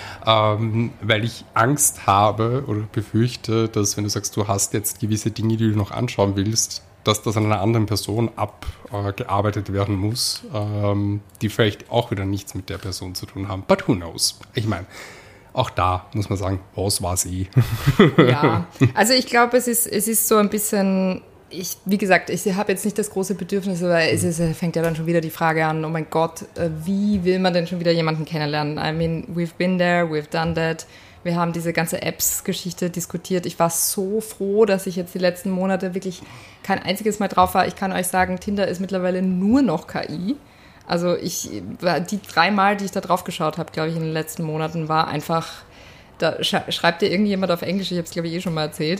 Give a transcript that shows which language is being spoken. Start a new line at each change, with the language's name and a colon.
German: Weil ich Angst habe oder befürchte, dass wenn du sagst, du hast jetzt gewisse Dinge, die du noch anschauen willst, dass das an einer anderen Person abgearbeitet werden muss, die vielleicht auch wieder nichts mit der Person zu tun haben.
English: But who knows?
German: Ich meine, auch da muss man sagen, was war sie? Ja, also ich glaube, es ist so ein bisschen, wie gesagt, ich habe jetzt nicht das große Bedürfnis, aber fängt ja dann schon wieder die Frage an, oh mein Gott, wie will man denn schon wieder jemanden kennenlernen?
English: I mean, we've been there, we've done that.
German: Wir haben diese ganze Apps-Geschichte diskutiert. Ich war so froh, dass ich jetzt die letzten Monate wirklich kein einziges Mal drauf war. Ich kann euch sagen, Tinder ist mittlerweile nur noch KI. Also ich die 3 Mal, die ich da drauf geschaut habe, glaube ich, in den letzten Monaten, war einfach, da schreibt dir irgendjemand auf Englisch, ich habe es, glaube ich, eh schon mal erzählt.